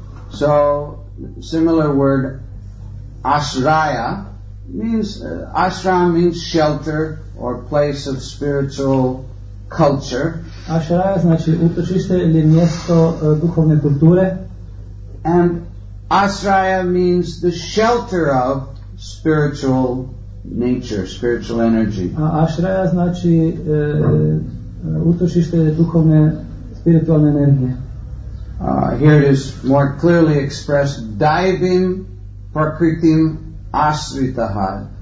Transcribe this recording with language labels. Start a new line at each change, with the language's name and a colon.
English: So, similar word ashraya means, ashram means shelter or place of spiritual culture.
Croatian: Ashraya znači utočište ili mjesto duhovne kulture.
English: And Ashraya means the shelter of spiritual nature, spiritual energy.
Croatian: Ashraya znači utočište duhovne spiritualne energije.
English: Here it is more clearly expressed,
Sanskrit: daivim prakritim ashritaha.